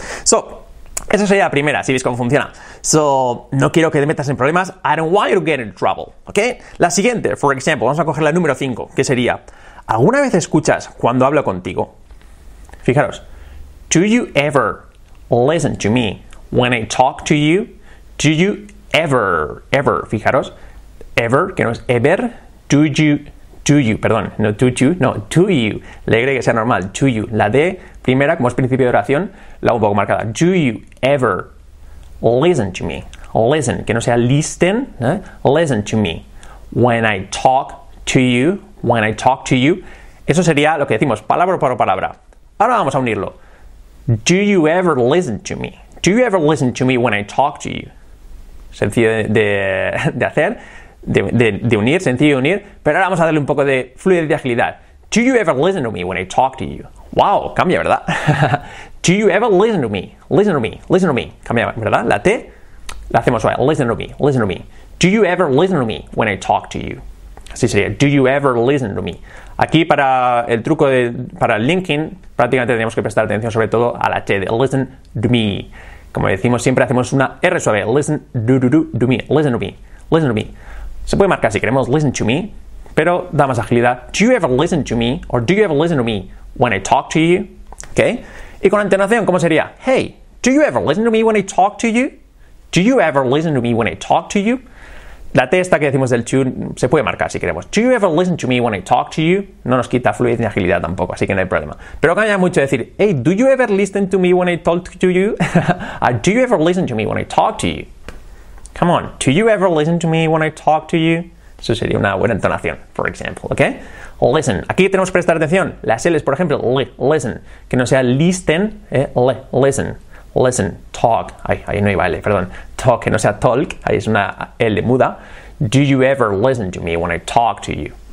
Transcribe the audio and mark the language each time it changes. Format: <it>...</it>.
<es>So, esa sería la primera, si veis cómo funciona. So, no quiero que te metas en problemas,</es> <en>I don't want you to get into trouble,</en> <es>¿ok? La siguiente, for example, vamos a coger la número 5, que sería, ¿alguna vez escuchas cuando hablo contigo?</es> <en>Fijaros, do you ever listen to me when I talk to you? Do you ever,</en> <es>fijaros, ever, que no es ever, do you, la Y que sea normal, do you, la D primera, como es principio de oración, la un poco marcada, do you ever</es> <en>listen to me, listen,</en> <es>que no sea</es> <en>listen, listen to me, when I talk to you,</en> <es>eso sería lo que decimos, palabra por palabra, ahora vamos a unirlo,</es> <en>do you ever listen to me when I talk to you.</en> <es>Sencillo de unir, pero ahora vamos a darle un poco de fluidez y agilidad.</es> <en>Do you ever listen to me when I talk to you? Wow,</en> <es>cambia, ¿verdad?</es> <en>Do you ever listen to me? Listen to me.</en> <es>Cambia, ¿verdad? La T la hacemos suave.</es> <en>Listen to me. Do you ever listen to me when I talk to you?</en> <es>Así sería,</es> <en>do you ever listen to me?</en> <es>Aquí para el truco de, para linking, prácticamente tenemos que prestar atención sobre todo a la T de listen to me. Como decimos siempre, hacemos una R suave,</es> <en>listen to me, listen to me, listen to me.</en> <es>Se puede marcar si queremos</es> <en>listen to me,</en> <es>pero da más agilidad.</es> <en>Do you ever listen to me or do you ever listen to me when I talk to you? ¿Okay?</en> <es>Y con entonación, ¿cómo sería?</es> <en>Hey, do you ever listen to me when I talk to you? Do you ever listen to me when I talk to you?</en> <es>La T esta que decimos del to se puede marcar si queremos.</es> <en>Do you ever listen to me when I talk to you?</en> <es>No nos quita fluidez ni agilidad tampoco, así que no hay problema. Pero cambia mucho decir,</es> <en>hey, do you ever listen to me when I talk to you? Do you ever listen to me when I talk to you? Come on, do you ever listen to me when I talk to you?</en> <es>Eso sería una buena entonación,</es> <en>for example,</en> <es>¿ok? Listen, aquí tenemos que prestar atención. Las L's, por ejemplo, listen, que no sea listen, listen. Listen, talk, ahí no iba L, perdón, talk, que no sea talk, ahí es una L muda.</es> <en>Do you ever listen to me when I talk to you?</en>